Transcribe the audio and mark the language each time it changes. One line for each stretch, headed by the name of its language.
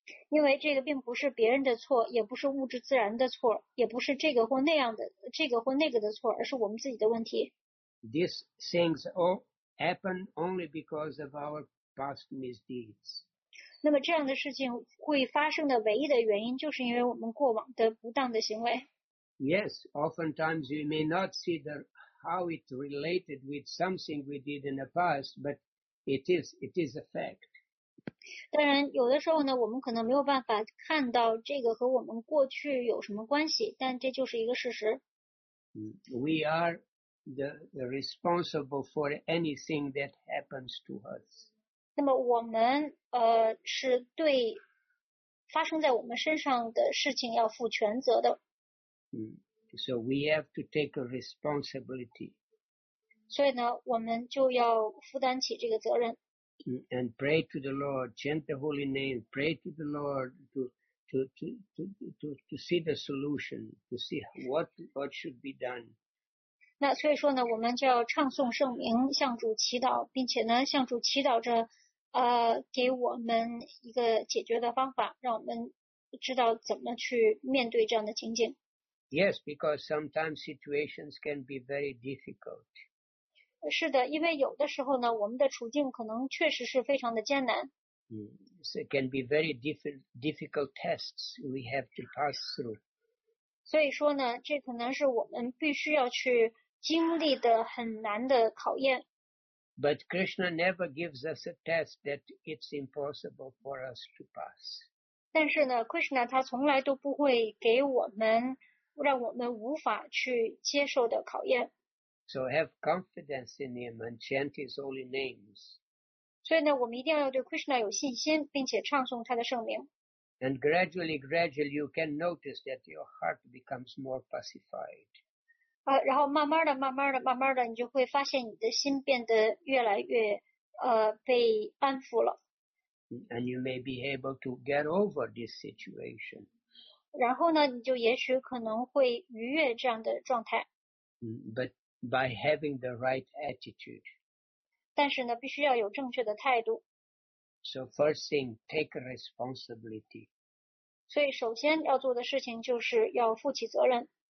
Chinese: 因为这个并不是别人的错，也不是物质自然的错，也不是这个或那样的，这个或那个的错，而是我们自己的问题。
English: These things all happen only because of our past misdeeds.
Chinese: 那么这样的事情会发生的唯一的原因就是因为我们过往的不当的行为。
English: Yes, oftentimes we may not see the, how it related with something we did in the past, but it is a fact.
Chinese: 当然有的时候呢我们可能没有办法看到这个和我们过去有什么关系，但这就是一个事实。
English: We are the responsible for anything that happens to us.
Chinese: 那么我们是对发生在我们身上的事情要负全责的。
English: So we have to take a responsibility.
Chinese: 所以呢我们就要负担起这个责任。
English: And pray to the Lord, chant the holy name, pray to the Lord to see the solution, to see what should be done.
Chinese: 那所以说呢我们就要唱诵圣名向主祈祷，并且呢向主祈祷着给我们一个解决的方法，让我们知道怎么去面对这样的情景。
English: Yes, because sometimes situations can be very difficult.
Chinese: 是的，因为有的时候呢我们的处境可能确实是非常的艰难。
English: So it can be very difficult tests we have to pass through.
Chinese: 所以说呢这可能是我们必须要去经历的很难的考验。
English: But Krishna never gives us a test that it's impossible for us to pass.
Chinese: 但是呢 ,Krishna 他从来都不会给我们让我们无法去接受的考验。
English: So have confidence in him and chant his holy names.
Chinese: 所以呢我们一定要对 Krishna 有信心，并且唱诵他的圣名。
English: And gradually you can notice that your heart becomes more pacified.
Chinese: 然后慢慢的你就会发现你的心变得越来越被安抚了。
English: And you may be able to get over this situation.
Chinese: 然后呢你就也许可能会逾越这样的状态。
English: But by having the right attitude.
Chinese: 但是呢必须要有正确的态度。
English: So first thing, take responsibility.
Chinese: 所以首先要做的事情就是要负起责任。